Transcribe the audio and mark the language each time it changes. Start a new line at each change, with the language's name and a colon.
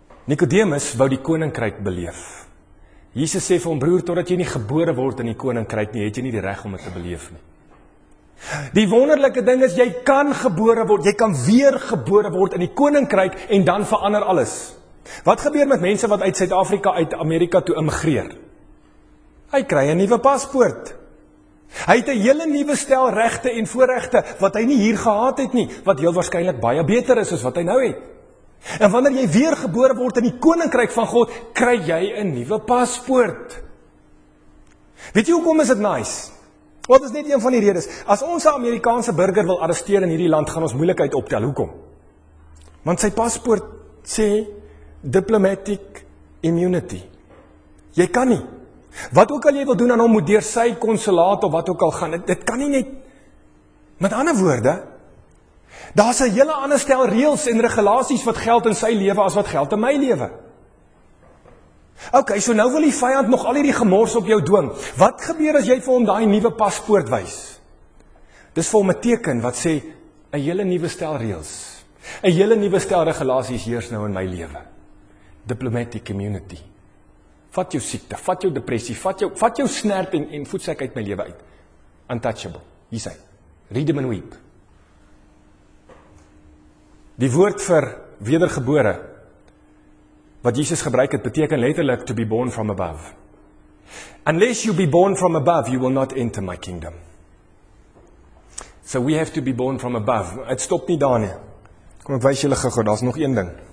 Afrikaans: Nikodemus wou die koninkryk beleef. Jesus sê vir hom: "Broer, totdat jy nie gebore word in die koninkryk nie, het jy nie die reg om dit te beleef nie." Die wonderlike ding is jy kan gebore word, jy kan weer gebore word in die koninkryk en dan verander alles. Wat gebeur met mense wat uit Suid-Afrika uit Amerika toe immigreer? Hy kry 'n nuwe paspoort. Hy het 'n hele nuwe stel regte en voorregte wat hy nie hier gehad het nie, wat heel waarskynlik baie beter is as wat hy nou het. En wanneer jy weer gebore word in die koninkryk van God, kry jy 'n nuwe paspoort. Weet jy hoekom is dit nice? Wat is net een van die redes. As ons 'n Amerikaanse burger wil arresteer in hierdie land, gaan ons moeilikheid optel. Hoekom? Want sy paspoort sê diplomatic immunity. Jy kan nie. Wat ook al jy wil doen aan hom, moet deur sy konsulaat of wat ook al gaan. Dit kan nie net. Met ander woorde, daar's 'n hele ander stel reëls en regulasies wat geld in sy lewe as wat geld in my lewe. Okay, so nou wil die vyand nog al hierdie gemors op jou dwing. Wat gebeur as jy vir hom daai nuwe paspoort wys? Dis vir hom 'n teken wat sê 'n hele nuwe stel reëls, 'n hele nuwe stel regulasies heers nou in my lewe.
English: Diplomatic immunity.
Afrikaans: Vat jou siekte, vat jou depressie, vat jou snert en voedsek uit my lewe uit.
English: Untouchable.
Afrikaans: Hier sê.
English: Read him and weep.
Afrikaans: Die woord vir wedergebore wat Jesus gebruik het, beteken letterlik
English: to be born from above. Unless you be born from above, you will not enter my kingdom. So we have to be born from above.
Afrikaans: Dit stop nie daar nie. Kom ek wys julle gou, daar's nog een ding.